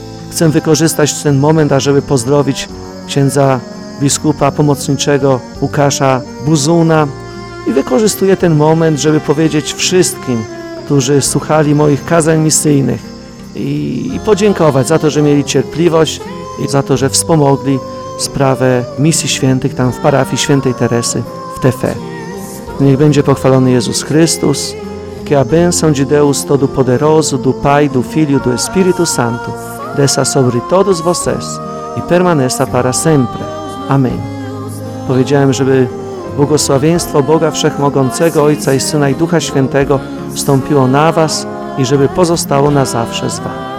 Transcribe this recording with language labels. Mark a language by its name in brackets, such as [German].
[Polish] Chcę wykorzystać ten moment, ażeby pozdrowić księdza biskupa pomocniczego Łukasza Buzuna i wykorzystuję ten moment, żeby powiedzieć wszystkim, którzy słuchali moich kazań misyjnych i podziękować za to, że mieli cierpliwość i za to, że wspomogli sprawę misji świętych tam w parafii świętej Teresy w Tefe. Niech będzie pochwalony Jezus Chrystus, [Portuguese] que a benção de Deus todo poderoso, do Pai, do Filho, do Espírito Santo, desça sobre todos vocês e permaneça para sempre. Amém. [Polish] Powiedziałem, żeby błogosławieństwo Boga Wszechmogącego, Ojca i Syna i Ducha Świętego wstąpiło na was i żeby pozostało na zawsze z wami.